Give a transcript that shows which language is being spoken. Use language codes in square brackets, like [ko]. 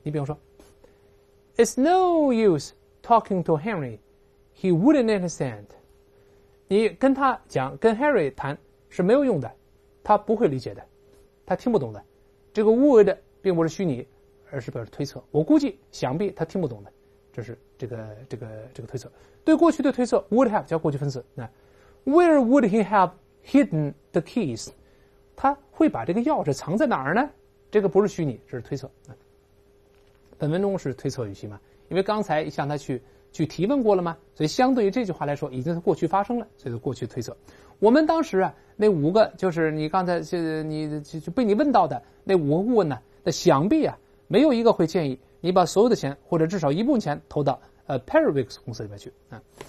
[zh] 你比方说 [en] ，It's no use talking to Henry, he wouldn't understand。 [zh] 你跟他讲，跟 Harry 谈是没有用的，他不会理解的，他听不懂的。这个 would 并不是虚拟，而是表示推测。我估计想必他听不懂的，这是这个推测。对过去的推测 [en] would have [zh] 叫过去分词。 [en] 那 where would he have hidden the keys？ [zh] 他会把这个钥匙藏在哪儿呢？这个不是虚拟，这是推测。本文中是推测语气嘛？因为刚才向他去提问过了吗？所以相对于这句话来说，已经是过去发生了，所以是过去推测。我们当时啊，那五个就是你刚才就被你问到的那五个顾问呢，那想必啊，没有一个会建议你把所有的钱或者至少一部分钱投到Perwick's 公司里面去啊。